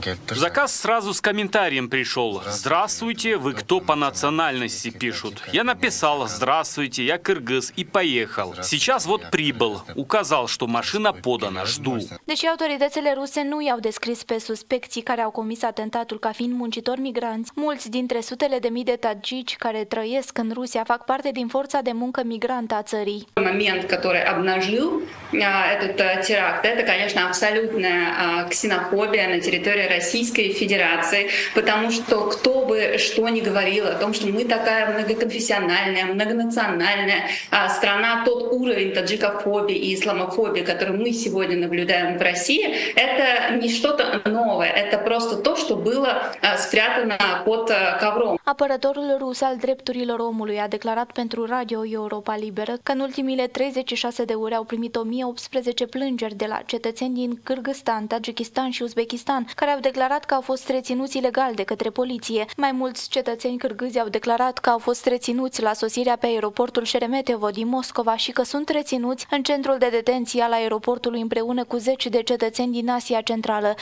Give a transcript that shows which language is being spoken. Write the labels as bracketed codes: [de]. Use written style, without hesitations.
[ru] Заказ сразу с комментарием пришел. Здравствуйте, вы кто по национальности пишут? Я написал, здравствуйте, я кыргыз и поехал. Сейчас вот прибыл. Указал, что машина подана, жду. [ro] Deși autoritățile ruse nu i-au descris pe suspecții care au comis atentatul ca fiind muncitori migranți, mulți dintre sutele de mii de tajici care trăiesc în Rusia fac parte din forța de muncă migrantă a țării. Moment care a obnajit acest teract, este, [ru] конечно, [ro] absolută xenofobie în teritoriul Rusiei Federației, pentru că [ru] кто бы что ни говорил о том, что мы такая многоконфессиональная, многонациональная страна, тот уровень таджикофобии и исламофобии, который мы сегодня наблюдаем в России, это не что-то новое, это просто то, что было спрятано под ковром. [ro] Apărătorul rus al drepturilor omului a declarat pentru Radio Europa Liberă că în ultimile 36 de ore au primit 1018 plângeri de la cetățeni din Kârgâzstan, Tajikistan și Uzbekistan, care au declarat că au fost reținuți ilegal de către poliție. Mai mulți cetățeni kârgâzi au declarat că au fost reținuți la sosirea pe aeroportul Sheremetyevo din Moscova și că sunt reținuți în centrul de detenție al aeroportului împreună cu 10 de cetățeni din Asia Centrală.